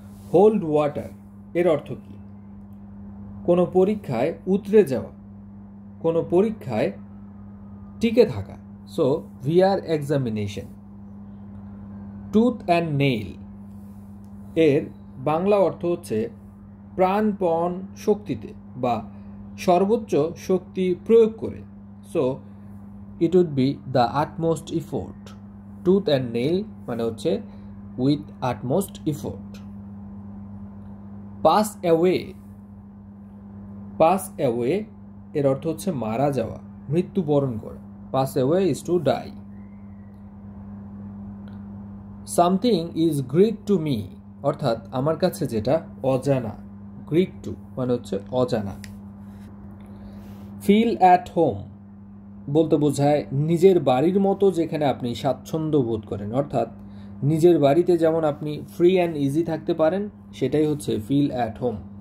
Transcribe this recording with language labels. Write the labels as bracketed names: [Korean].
[Bangla] Hold water এর অর্থ কি? কোনো পরীক্ষায় উতরে যাওয়া, কোনো পরীক্ষায় টিকে থাকা, [English] So, VR examination. Tooth and nail. [Bangla] এর বাংলা অর্থ হচ্ছে প্রাণপণ শক্তিতে বা সর্বোচ্চ শক্তি প্রয়োগ করে. [English] So, it would be the utmost effort. Tooth and nail [Bangla] মানে হচ্ছে [English] with utmost effort. Pass away. [Bangla] Pass away এর অর্থ হচ্ছে মারা যাওয়া, মৃত্যুবরণ করা. [English] Pass away is to die. Something is Greek to me. [Bangla] অর্থাৎ আমার কাছে যেটা অজানা. Greek to মানে হচ্ছে অজানা. Feel at home বলতে বোঝায় নিজের বাড়ির মতো যেখানে আপনি স্বাচ্ছন্দ্য বোধ করেন. অর্থাৎ নিজের বাড়িতে যেমন আপনি [English] free and easy [Bangla] থাকতে পারেন, সেটাই হচ্ছে ফিল অ্যাট হোম.